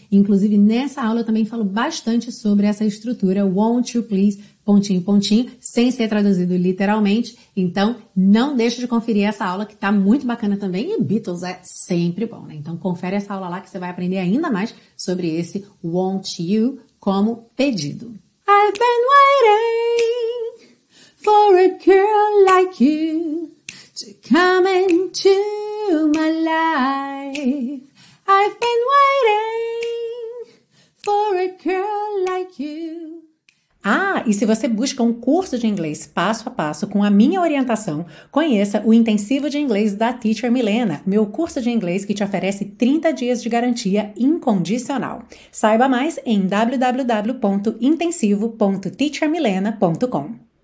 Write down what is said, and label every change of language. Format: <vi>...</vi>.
<pt>Inclusive, nessa aula eu também falo bastante sobre essa estrutura,</pt> <en>won't you please,</en> <pt>pontinho, pontinho, sem ser traduzido literalmente. Então, não deixe de conferir essa aula que está muito bacana também. E Beatles é sempre bom, né? Então, confere essa aula lá que você vai aprender ainda mais sobre esse</pt> <en>won't you</en> <pt>como pedido.</pt> <en>I've been waiting for a girl like you to come into my life. I've been waiting for a girl like you.</en> <pt>Ah, e se você busca um curso de inglês passo a passo com a minha orientação, conheça o Intensivo de Inglês da Teacher Milena, meu curso de inglês que te oferece 30 dias de garantia incondicional. Saiba mais em www.intensivo.teachermilena.com.</pt>